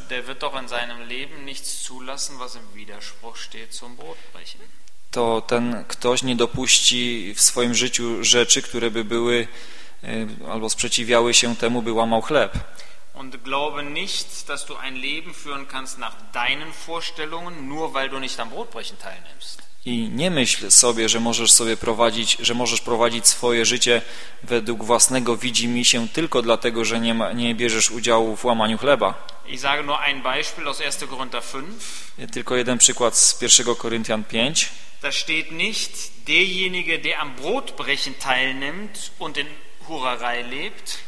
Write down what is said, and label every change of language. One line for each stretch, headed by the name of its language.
German: Der wird doch in seinem Leben nichts zulassen, was im Widerspruch steht zum Brotbrechen.
Polish: To ten ktoś nie dopuści w swoim życiu rzeczy, które by były albo sprzeciwiały się temu, by łamał chleb.
German: Und glaube nicht, dass du ein Leben führen kannst nach deinen Vorstellungen, nur weil du nicht am Brotbrechen teilnimmst.
Polish: I nie myśl sobie, że możesz sobie prowadzić, że możesz prowadzić swoje życie według własnego widzimisię tylko dlatego, że nie bierzesz udziału w łamaniu chleba.
German: Ich sage nur ein Beispiel aus 1. Korinther 5.
Polish: Tylko jeden przykład z 1. Koryntian 5.
German: Da steht nicht, derjenige, der am Brotbrechen teilnimmt und in Hurerei lebt.